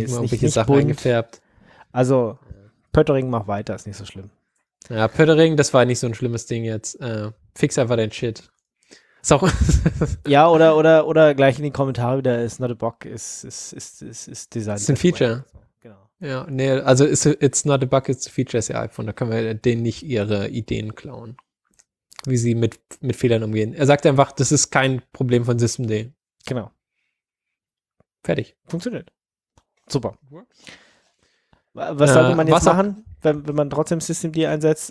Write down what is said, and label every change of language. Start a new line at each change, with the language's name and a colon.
German: irgendwelche nicht Sachen bunt. Eingefärbt. Also, Pöttering macht weiter, ist nicht so schlimm. Ja, Pöttering, das war nicht so ein schlimmes Ding jetzt. Fix einfach dein Shit. Ja, oder gleich in die Kommentare wieder, ist not a bug, ist Design. Ist ein Feature. Genau. Ja, nee, also
English: it's not a bug, it's a feature,
German: ist ja iPhone. Da können wir denen nicht ihre Ideen klauen, wie sie mit Fehlern umgehen. Er sagt einfach, das ist kein Problem von SystemD. Genau. Fertig. Funktioniert. Super. Was sollte man jetzt machen, wenn man trotzdem SystemD einsetzt?